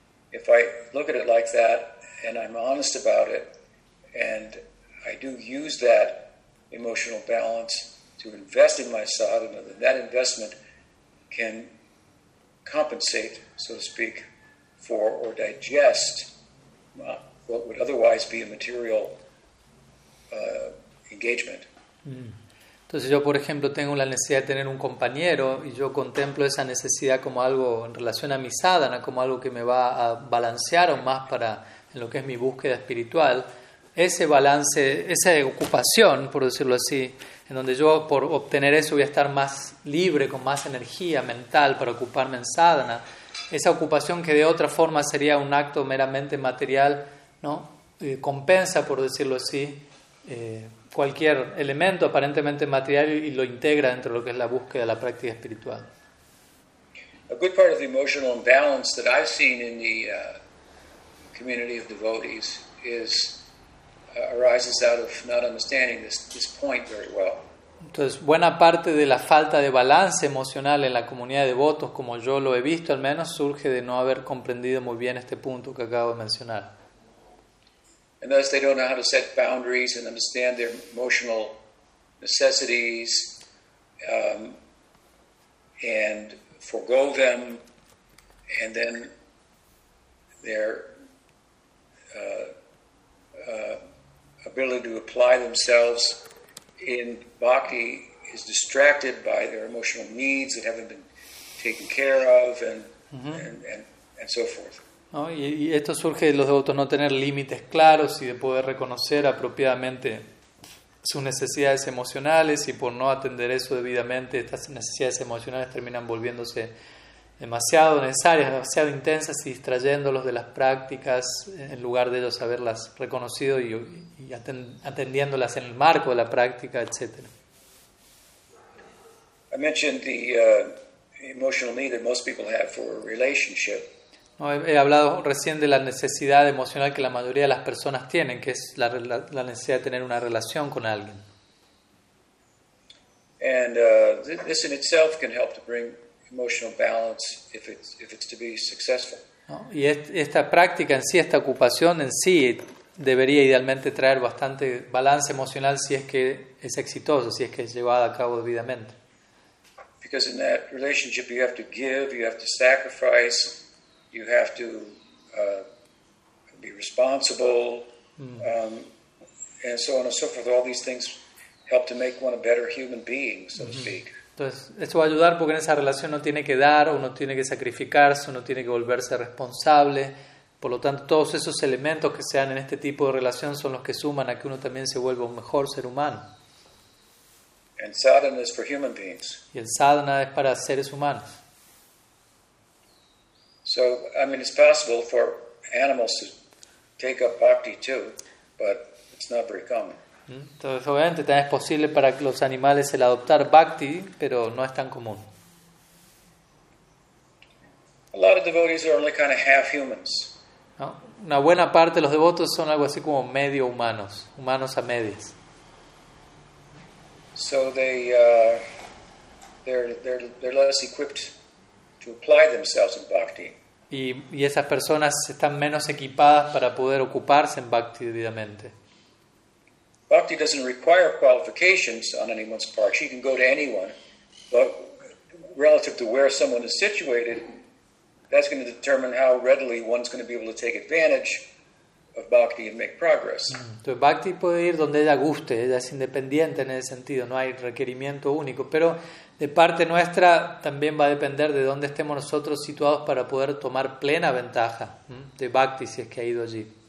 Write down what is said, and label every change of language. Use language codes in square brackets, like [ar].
[en] If I look at it like that and I'm honest about it and I do use that emotional balance to invest in my sadhana, then that investment can compensate, so to speak, for or digest what would otherwise be a material engagement. [es] Entonces yo, por ejemplo, tengo la necesidad de tener un compañero y yo contemplo esa necesidad como algo en relación a mi sadhana, como algo que me va a balancear aún más para en lo que es mi búsqueda espiritual. Ese balance, esa ocupación, por decirlo así, en donde yo por obtener eso voy a estar más libre, con más energía mental para ocuparme en sadhana, esa ocupación que de otra forma sería un acto meramente material, ¿no? Compensa, por decirlo así, cualquier elemento aparentemente material y lo integra dentro de lo que es la búsqueda de la práctica espiritual. [en] A good part of the emotional imbalance that I've seen in the community of devotees is arises out of not understanding this point very well. [es] Entonces, buena parte de la falta de balance emocional en la comunidad de devotos, como yo lo he visto al menos, surge de no haber comprendido muy bien este punto que acabo de mencionar. [en] And thus they don't know how to set boundaries and understand their emotional necessities and forgo them, and then their ability to apply themselves in bhakti is distracted by their emotional needs that haven't been taken care of, and mm-hmm. and so forth. [es] ¿No? Y esto surge de los devotos no tener límites claros y de poder reconocer apropiadamente sus necesidades emocionales, y por no atender eso debidamente, estas necesidades emocionales terminan volviéndose demasiado necesarias, demasiado intensas, y distrayéndolos de las prácticas en lugar de ellos haberlas reconocido y atendiéndolas en el marco de la práctica, etc. [en] I mentioned the emotional need that most people have for a relationship. [es] He hablado recién de la necesidad emocional que la mayoría de las personas tienen, que es la necesidad de tener una relación con alguien. [en] And this in itself can help to bring emotional balance if it's to be successful. [es] ¿No? Y esta práctica en sí, esta ocupación en sí, debería idealmente traer bastante balance emocional si es que es exitoso, si es que es llevada a cabo debidamente. [en] Because in that relationship you have to give, you have to sacrifice. You have to be responsible, and so on and so forth. All these things help to make one a better human being, so to speak. [es] Entonces, esto va a ayudar porque en esa relación uno tiene que dar, uno tiene que sacrificarse, uno tiene que volverse responsable. Por lo tanto, todos esos elementos que sean en este tipo de relación son los que suman a que uno también se vuelva un mejor ser humano. [en] And sadhana is for human beings. [es] Y el sadhana es para seres humanos. [en] So, I mean, it's possible for animals to take up bhakti too, but it's not very common. [es] Entonces, obviamente, también es posible para los animales el adoptar bhakti, pero no es tan común. [en] A lot of devotees are only kind of half humans. [es] ¿No? Una buena parte de los devotos son algo así como medio humanos, humanos a medias. [en] So they're less equipped to apply themselves in bhakti. [es] Y esas personas están menos equipadas para poder ocuparse en bhakti debidamente. [en] Bhakti doesn't require qualifications on anyone's part. She can go to anyone, but relative to where someone is situated, that's going to determine how readily one's going to be able to take advantage of bhakti and make progress. [es] Entonces, bhakti puede ir donde ella guste. Ella es independiente en ese sentido. No hay requerimiento único, pero de parte nuestra también va a depender de dónde estemos nosotros situados para poder tomar plena ventaja de bhakti, si es que ha ido allí.